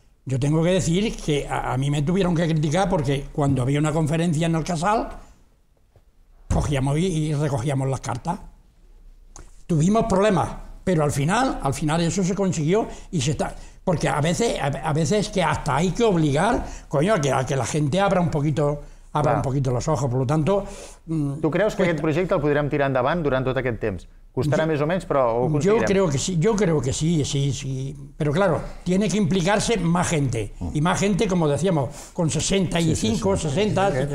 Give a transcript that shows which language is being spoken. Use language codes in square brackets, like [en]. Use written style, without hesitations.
[es] Yo tengo que decir que a mí me tuvieron que criticar porque cuando había una conferencia en el casal, cogíamos y recogíamos las cartas. Tuvimos problemas, pero al final eso se consiguió y se está... Porque a veces es que hasta hay que obligar, coño, a que la gente abra un poquito... Abra un poquito los ojos, por lo tanto... [ca] Tu creus que aquest projecte el podrem tirar endavant durant tot aquest temps? Costarà més o menys, però ho aconseguirem. [es] Yo creo que sí. Pero claro, tiene que implicarse más gente. Y más gente, como decíamos, con 65, 60...